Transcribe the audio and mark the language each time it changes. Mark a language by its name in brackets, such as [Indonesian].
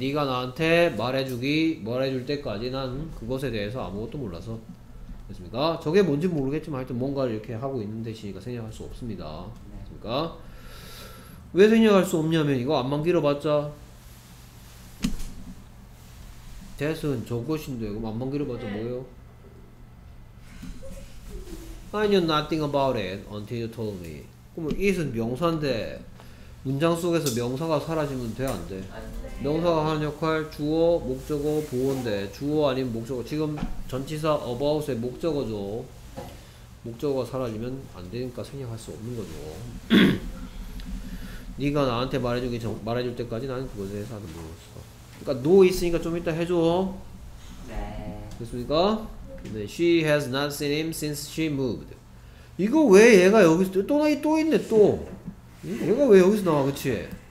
[Korean] 네가 나한테 말해주기, 말해줄 때까지 난 그것에 대해서 아무것도 몰라서. 됐습니까? 저게 뭔지 모르겠지만 하여튼 뭔가를 이렇게 하고 있는 데시니까 생략할 수 없습니다. 됐습니까? 왜 생략할 수 없냐면 이거 안만 길어봤자 that은 저것인데 그럼 안만 길어봤자 뭐예요? [English] I knew nothing about it until you told me. [Korean] 그럼 it은 명사인데 문장 속에서 명사가 사라지면 돼 안 돼? 명사가 하는 역할 주어, 목적어, 보호인데 주어 아니면 목적어 지금 전치사 about의 목적어죠. 목적어가 사라지면 안 되니까 생략할 수 없는 거죠. 네가 나한테 말해주기 전, 말해줄 때까지 나는 그것에 대해서 아무것도 모르겠어. 그러니까 no 있으니까 좀 이따 해줘. 네. 됐습니까? 네. [English] She has not seen him since she moved. [Korean] 이거 왜 얘가 여기서 또 나이 또 있네 또. 얘가 왜 여기서 나와 그치?